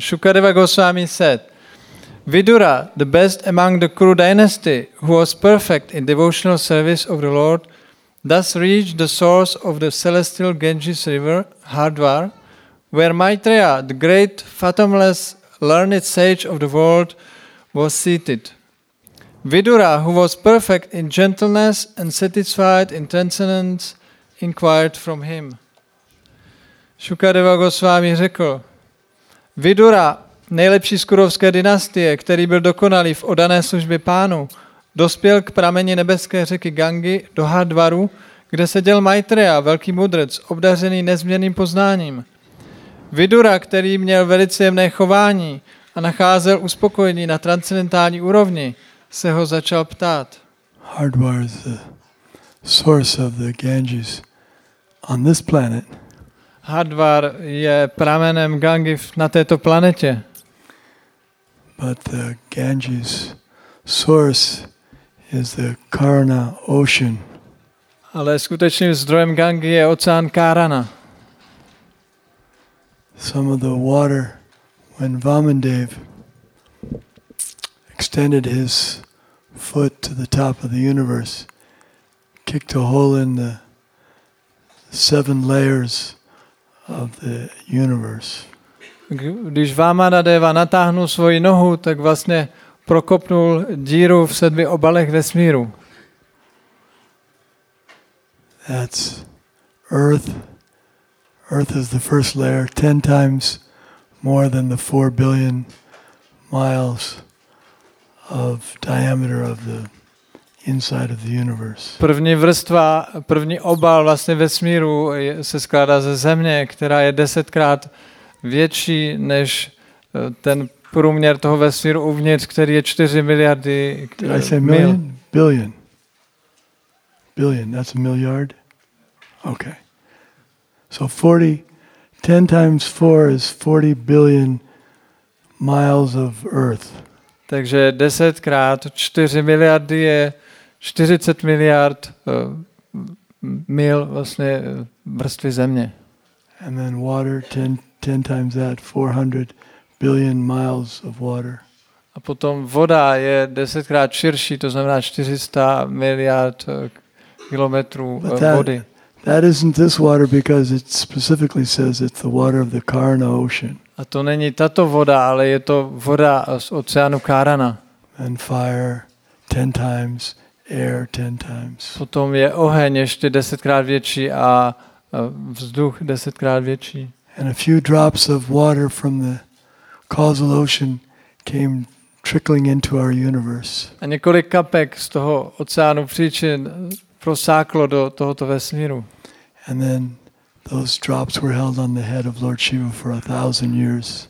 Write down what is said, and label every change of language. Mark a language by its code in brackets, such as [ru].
[en] Shukadeva Goswami said, Vidura, the best among the Kuru dynasty, who was perfect in devotional service of the Lord, thus reached the source of the celestial Ganges river, Hardwar, where Maitreya, the great, fathomless, learned sage of the world, was seated. Vidura, who was perfect in gentleness and satisfied in transcendence, inquired from him. [cs] Shukadeva Goswami řekl, Vidura, nejlepší z kurovské dynastie, který byl dokonalý v oddané službě pánu, dospěl k prameni nebeské řeky Gangy do Hardwaru, kde seděl Maitreya, velký mudrec, obdařený nezměrným poznáním. Vidura, který měl velice jemné chování a nacházel uspokojení na transcendentální úrovni, se ho začal ptát. [en] Hardwar is the source of the Ganges on this planet. [cs] Hardwar je pramenem Gangy na této planetě. [en] But the Ganges source is the Karna ocean. [cs] Ale skutečným zdrojem Gangy je oceán Karana. [en] Some of the water when Vamandev extended his foot to the top of the universe, kicked a hole in the seven layers of the universe. [cs] Když Vámanadeva natáhnul svoji nohu, tak vlastně prokopnul díru v sedmi obalech vesmíru. [en] That's Earth. Earth is the first layer, 10 times more than the 4 billion miles of diameter of the inside of the universe. [cs] První vrstva, první obal vlastně vesmíru se skládá ze Země, která je 10krát větší než ten průměr toho vesmíru uvnitř, který je 4 miliardy. [en] Did I say million? Billion. Billion, that's a milliard? Okay. So 40, 10 times 4 is 40 billion miles of Earth. [cs] Takže 10 krát 4 miliardy je 40 miliard mil vlastně vrstvy Země. [en] And then water, 10 times that, 400 billion miles of water. [cs] A potom voda je 10krát širší, to znamená 400 miliard kilometrů vody. [en] That isn't this water because it specifically says it's the water of the Karna ocean. [cs] A to není tato voda, ale je to voda z oceánu Karana. [en] And fire 10 times, air 10 times. [cs] Potom je oheň ještě 10krát větší a vzduch 10krát větší. [en] And a few drops of water from the causal ocean came trickling into our universe. [cs] A několik kapek z toho oceánu příčin prosáklo do tohoto vesmíru. [en] And then those drops were held on the head of Lord Shiva for 1,000 years.